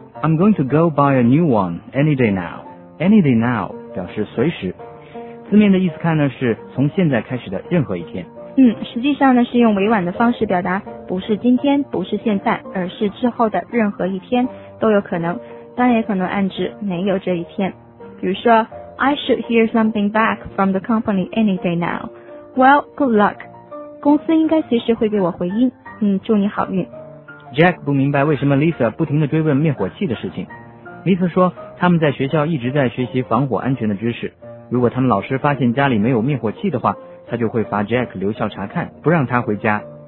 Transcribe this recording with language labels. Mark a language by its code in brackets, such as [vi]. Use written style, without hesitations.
[en] I'm going to go buy a new one any day now. Any day now [zh] 表示随时。字面的意思看呢是从现在开始的任何一天。嗯，实际上呢是用委婉的方式表达，不是今天，不是现在，而是之后的任何一天都有可能，当然也可能暗指没有这一天。比如说 [en] I should hear something back from the company any day now. Well, good luck. [zh] 公司应该随时会给我回音。嗯，祝你好运。 Jack 不明白为什么 Lisa 不停地追问灭火器的事情。 Lisa 说他们在学校一直在学习防火安全的知识，如果他们老师发现家里没有灭火器的话，他就会罚 Jack 留校查看，不让他回家。